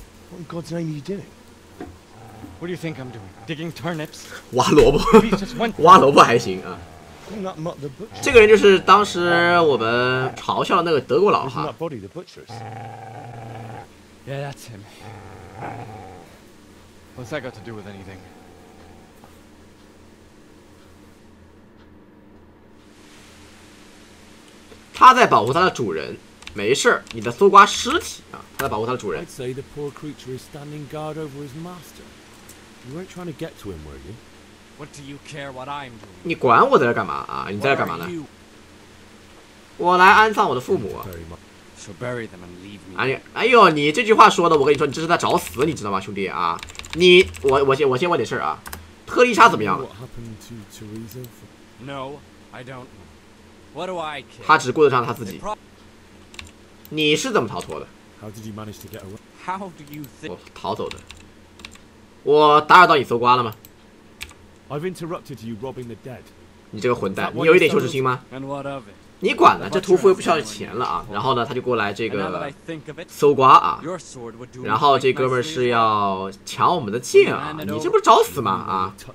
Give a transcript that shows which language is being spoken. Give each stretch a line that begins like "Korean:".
English: What in God's name are you doing? What do you think I'm doing? Digging turnips?
Chinese: 挖萝卜，挖萝卜还行啊。这个人就是当时我们嘲笑的那个德国佬哈。
English: Yeah, that's him. What's that got to do with anything?
Chinese: 他在保护他的主人。没事，你的搜刮尸体啊，他在保护他的主人。
English: I'd say the poor creature is standing guard over his master. You weren't trying to get to him, were you? What do you care what I'm doing?
Chinese: 你管我在这干嘛啊？你在这干嘛呢？我来安葬我的父母。
English: So bury them and leave me.
Chinese: 哎呦，你这句话说的，我跟你说，你这是在找死，你知道吗，兄弟啊？我先问点事啊。特丽莎怎么样了？
English: What happened to Teresa? No, I don't. What do I care?
Chinese: 他只顾得上他自己。你是怎么逃脱的
English: ？How did you manage to get away? How do you think?
Chinese: 我逃走的。我打扰到你搜刮了吗
English: ？I've interrupted you robbing the dead.
Chinese: 你这个混蛋，你有一点羞耻心吗？
English: And what of it?
Chinese: 你管呢？这屠夫又不需要钱了啊。然后呢，他就过来这个搜刮啊。然后这哥们是要抢我们的剑啊？你这不是找死吗？啊！